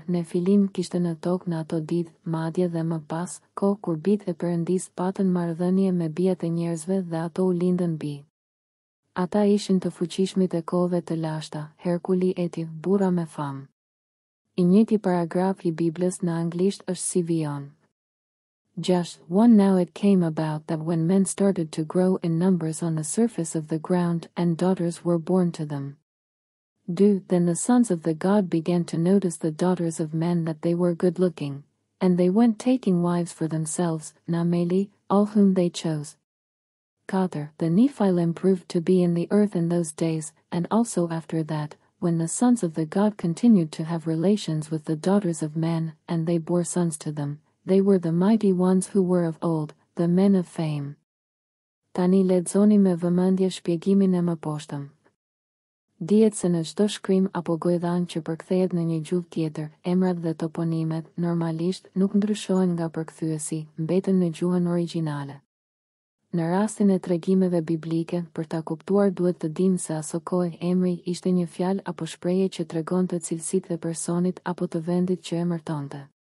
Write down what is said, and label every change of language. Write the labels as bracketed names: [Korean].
[Albanian] Në fillim kishte në tokë në ato ditë, madje dhe më pas, kohë kur bitë e Perëndis patën marrëdhënie me bijat e njerëzve dhe ato u lindën bi. Ata ishin të fuqishmit e kohëve të lashta, Herkuli eti, burra me famë. I njëti paragraf i Biblës në anglisht është si vijon. 6. [English] One now it came about that when men started to grow in numbers on the surface of the ground, and daughters were born to them. 2. Then the sons of the god began to notice the daughters of men that they were good-looking, and they went taking wives for themselves, namely, all whom they chose. 4. The Nephilim proved to be in the earth in those days, and also after that, when the sons of the god continued to have relations with the daughters of men, and they bore sons to them. They were the mighty ones who were of old, the men of fame. [Albanian] Tani lexoni me vëmendje shpjegimin e mposhtëm. Dihet se në çdo shkrim apo gojdhan që përkthehet në një gjuhë tjetër, emrat dhe toponimet, normalisht, nuk ndryshohen nga përkthyesi, mbeten në gjuhën originale. Në rastin e tregimeve biblike, për ta kuptuar duhet të dim se aso kohë emri ishte një fjalë apo shprehje që tregon të cilësit e personit apo të vendit që emërtonte.